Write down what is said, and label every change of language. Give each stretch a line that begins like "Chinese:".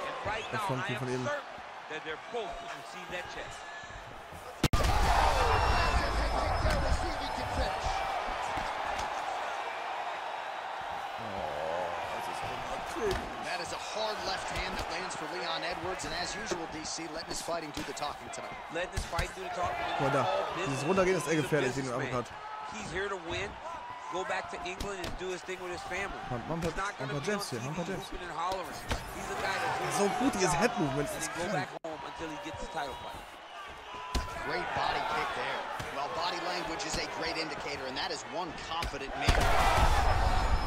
English: And right now, I am certain that they're both going to receive that check. That is a hard left hand that lands for Leon Edwards, and as usual, DC, letting his fighting do the talking tonight. Letting his fight do the talking.
German: Oh, da. Dieses Runtergehen ist echt gefährlich, den er abgehört.
English: He's here to win, go back to England and do his thing with his family.
German: So gut, dieses
English: head movement
German: ist krank.
English: Go back home until he gets the title fight. Great body kick there. Well, body language is a great indicator, and that is one confident man.